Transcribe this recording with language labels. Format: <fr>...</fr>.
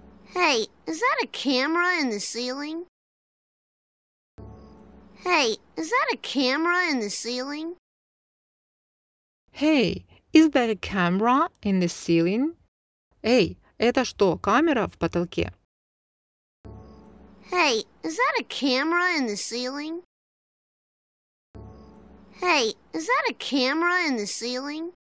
<en>Hey, is that a camera in the ceiling? Hey, is that a camera in the ceiling? Hey, is that a camera in the ceiling?</en> <ru>Эй, это что, камера в потолке?</ru> <en>Hey, is that a camera in the ceiling? Hey, is that a camera in the ceiling?</en>